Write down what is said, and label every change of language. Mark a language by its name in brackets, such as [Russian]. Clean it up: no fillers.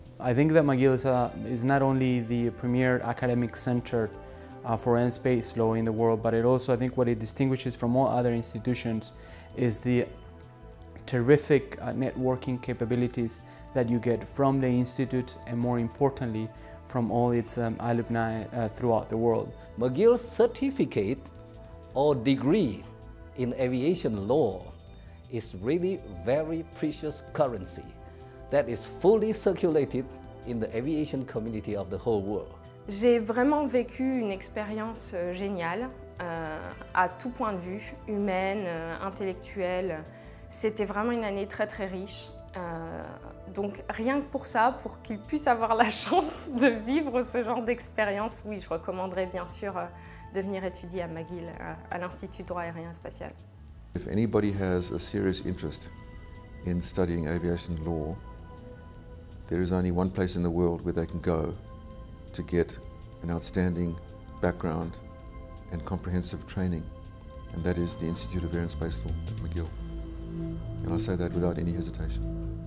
[English] I think that McGill is not only the premier academic center for air and space law in the world, but it also, I think what it distinguishes from all other institutions is the terrific networking capabilities that you get from the Institute and, more importantly, from all its alumni throughout the world. McGill's certificate or degree in aviation law is really very precious currency that is fully circulated in the aviation community of the whole world. [French] J'ai vraiment vécu une expérience géniale à tout point de vue, humaine, intellectuelle. C'était vraiment une année très très riche. Donc rien que pour ça, pour qu'ils puissent avoir la chance de vivre ce genre d'expérience, oui, je recommanderais bien sûr de venir étudier à McGill, à l'Institut de droit aérien spatial. [English] If anybody has a serious interest in studying aviation law, there is only one place in the world where they can go to get an outstanding background and comprehensive training, and that is the Institute of Air and Space Law at McGill. And I say that without any hesitation.